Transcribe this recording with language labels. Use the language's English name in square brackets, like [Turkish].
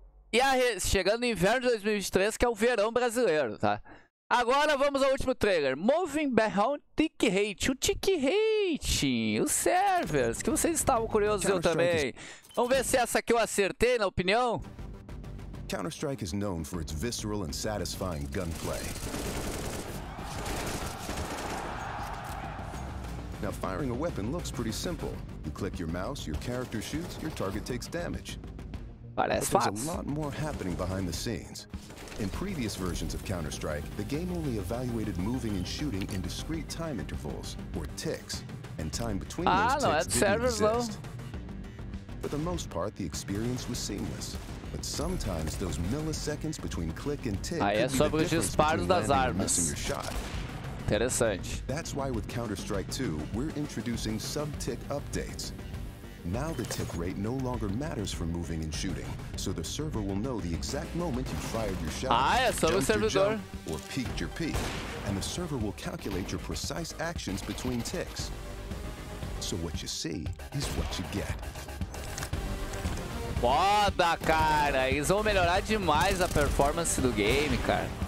[Portuguese] E a chegando no inverno de 2023, que é o verão brasileiro, tá? Agora vamos ao último trailer. Moving Beyond Tick Rate. O Tick Rate. Os servers. Que vocês estavam curiosos, eu também. Vamos ver se essa aqui eu acertei na opinião. [English] Counter-Strike is known for its visceral and satisfying gunplay. Now, firing a weapon looks pretty simple. You click your mouse, your character shoots, your target takes damage. [Portuguese] Parece fácil. [English] There's a lot more happening behind the scenes. In previous versions of Counter-Strike, the game only evaluated moving and shooting in discrete time intervals, or ticks, and time between those ticks didn't exist. For the most part, the experience was seamless. But sometimes those milliseconds between click and tick could be the difference between landing and missing your shot. [Portuguese] Interessante. [English] That's why with Counter-Strike 2, we're introducing sub-tick updates. Now the tick rate no longer matters for moving and shooting, so the server will know the exact moment you fired your shot, jumped your jump, or peaked your peak, and the server will calculate your precise actions between ticks. So what you see is what you get. [Portuguese] Foda, cara! Eles vão melhorar demais a performance do game, cara.